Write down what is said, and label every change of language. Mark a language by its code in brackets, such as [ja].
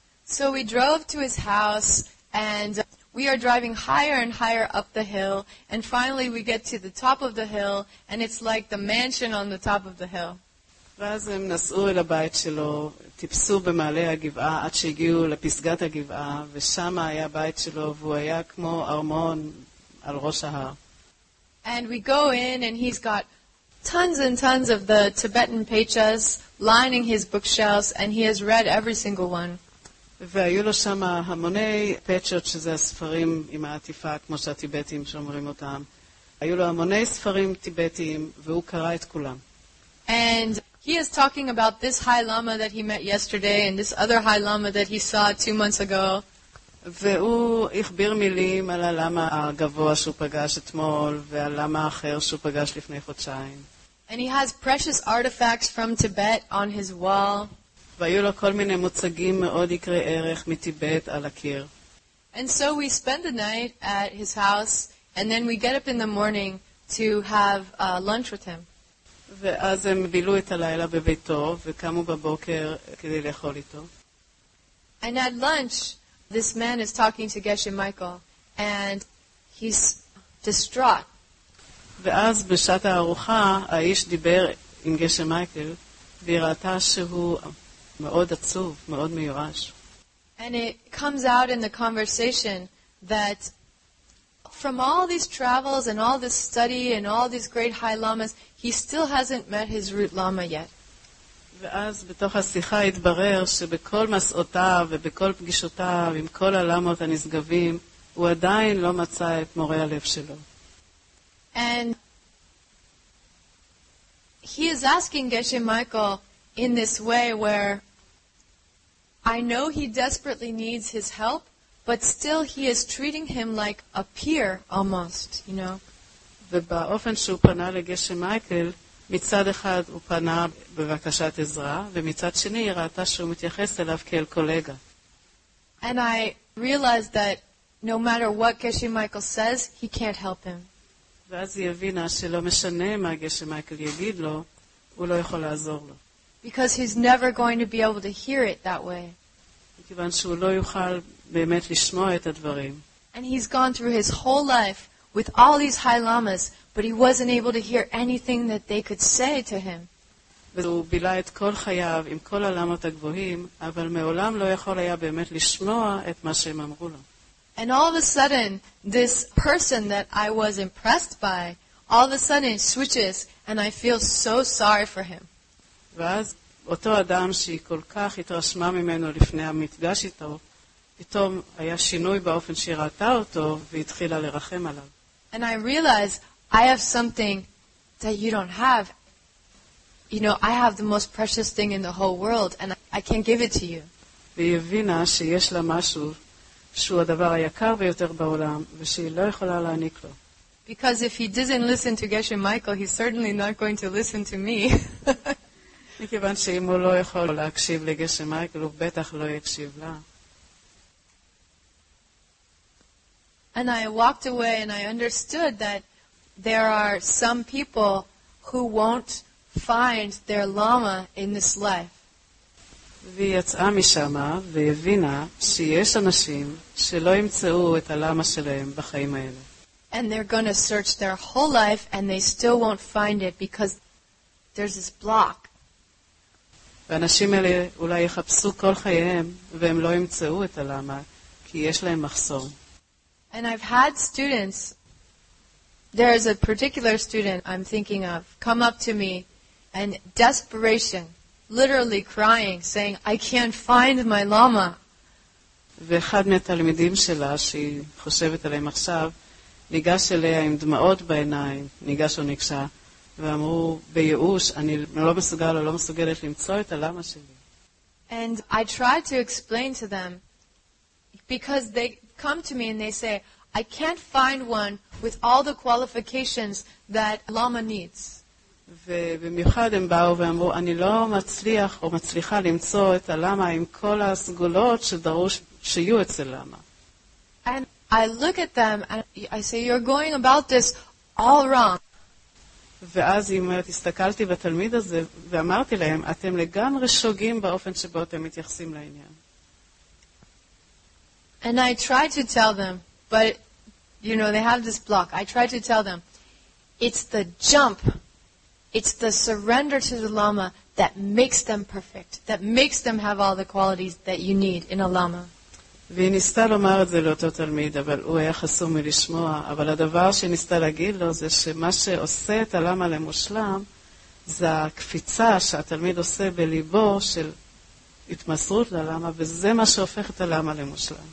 [en] So we drove to his house and we are driving higher and higher up the hill and finally we get to the top of the hill and it's like the mansion on the top of the hill. [he] ואז הם נסעו אל הבית שלו, טיפסו במעלה הגבעה עד שהגיעו לפסגת הגבעה ושם היה הבית שלו והוא היה כמו ארמון על ראש ההר. [en] And we go in and he's got tons and tons of the Tibetan pechas lining his bookshelves and he has read every single one. [he] והיו לו שמה המוני פצ'ות שזה הספרים עם העטיפה כמו שהטיבטים שומרים אותם. היו לו המוני ספרים טיבטיים והוא קרא את כולם. [en] And he is talking about this high lama that he met yesterday and this other high lama that he saw 2 months ago. [he] והוא הכביר מילים על הלמה הגבוה שהוא פגש אתמול והלמה אחר שהוא פגש לפני חודשיים. [en] And he has precious artifacts from Tibet on his wall. [he] והיו לו כל מיני מוצגים מאוד יקרי ערך מטיבט על הקיר. [en] And so we spend the night at his house and then we get up in the morning to have lunch with him. [he] ואז הם בילו את הלילה בביתו וקמו בבוקר כדי לאכול איתו. [en] And at lunch this man is talking to Geshe Michael and he's distraught. [he] ואז בשעת הארוחה האיש דיבר עם גשם מייקל והיא ראתה שהוא מאוד עצוב, מאוד מיורש. [en] And it comes out in the conversation that from all these travels and all this study and all these great high lamas, he still hasn't met his root lama yet. [he] ואז בתוך השיחה התברר שבכל מסעותיו ובכל פגישותיו עם כל הלמות הנשגבים, הוא עדיין לא מצא את מורה הלב שלו. [en] And he is asking Geshe Michael in this way where I know he desperately needs his help, but still he is treating him like a peer almost, you know. [he] ובאופן שהוא פנה לגשה מייקל, מצד אחד הוא פנה בבקשת עזרה, ומצד שני היא ראתה שהוא מתייחס אליו כאל קולגה. [en] And I realized that no matter what Geshe Michael says, he can't help him. [he] ואז היא הבינה שלא משנה מה גשה מייקל יגיד לו, הוא לא יכול לעזור לו. [en] Because he's never going to be able to hear it that way. [he] מכיוון שהוא לא יוכל באמת לשמוע את הדברים. [en] And he's gone through his whole life with all these high lamas, but he wasn't able to hear anything that they could say to him. [he] והוא בילה את כל חייו עם כל הלמות הגבוהים, אבל מעולם לא יכול היה באמת לשמוע את מה שהם אמרו לו. [en] And all of a sudden, this person that I was impressed by, all of a sudden switches, and I feel so sorry for him. [he] ואז אותו אדם שהיא כל כך התרשמה ממנו לפני המפגש איתו, פתאום היה שינוי באופן שהיא ראתה אותו והתחילה לרחם עליו. [en] And I realize I have something that you don't have. You know, I have the most precious thing in the whole world and I can't give it to you. [he] והיא הבינה שיש לה משהו שהוא הדבר היקר ביותר בעולם ושהיא לא יכולה להעניק לו. [en] Because if he doesn't listen to Geshe Michael, he's certainly not going to listen to me. [he] מכיוון שאם הוא לא יכול להקשיב לגשה מייקל, הוא בטח לא יקשיב לה. [en] And I walked away and I understood that there are some people who won't find their lama in this life. [he] והיא יצאה משמה והבינה שיש אנשים שלא ימצאו את הלמה שלהם בחיים האלה. [en] And they're going to search their whole life and they still won't find it because there's this block. [he] ואנשים האלה אולי יחפשו כל חייהם והם לא ימצאו את הלמה כי יש להם מחסום. [en] And I've had students, there is a particular student I'm thinking of, come up to me in desperation, literally crying, saying, I can't find my lama. [he] ואחד מהתלמידים שלה, שהיא חושבת עליהם עכשיו, ניגש אליה עם דמעות בעיניים, ניגש או ניגשה, ואמרו, בייאוש, אני לא מסוגל או לא מסוגלת למצוא את הלמה שלי. [en] And I tried to explain to them, because they come to me and they say, I can't find one with all the qualifications that Lama needs. [he] ובמיוחד הם באו ואמרו, אני לא מצליח או מצליחה למצוא את הלמה עם כל הסגולות שדרוש שיהיו אצל למה. [en] And I look at them and I say, you're going about this all wrong. [he] ואז היא אומרת, הסתכלתי בתלמיד הזה ואמרתי להם, אתם לגמרי שוגים באופן שבו אתם מתייחסים לעניין. [en] And I tried to tell them, but, you know, they have this block. I tried to tell them, it's the jump, it's the surrender to the Lama that makes them perfect, that makes them have all the qualities that you need in a Lama. [he] והיא ניסתה לומר את זה לאותו תלמיד, אבל הוא היה חסום מלשמוע, אבל הדבר שהיא ניסתה להגיד לו זה שמה שעושה את הלמה למושלם, זה הקפיצה שהתלמיד עושה בליבו של התמסרות ללמה, וזה מה שהופך את הלמה למושלם.